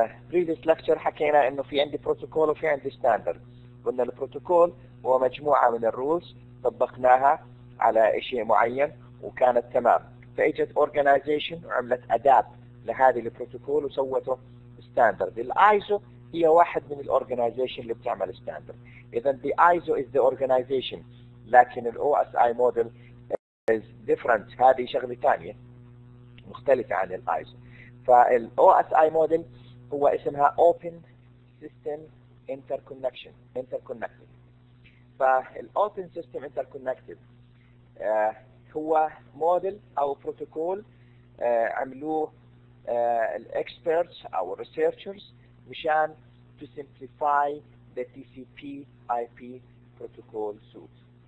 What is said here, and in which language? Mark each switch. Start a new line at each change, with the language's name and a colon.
English: Previous lecture
Arabic: حكينا انه في عندي protocol وفي عندي standard. قلنا البروتوكول هو مجموعة من الرولز طبقناها على شيء معين وكانت تمام. فاجت organization وعملت adapt لهذه البروتوكول وسوته standard. الISO هي واحد من الorganization اللي بتعمل standard.
English: اذا the ISO is the organization لكن ال OSI model is different.
Arabic: هذه شغلة تانية مختلفة عن ال ISO. فال OSI model هو اسمها Open System Interconnected. فال Open System Interconnected هو model او protocol عملوه ال experts او researchers مشان
English: to simplify the TCP/IP protocol suite.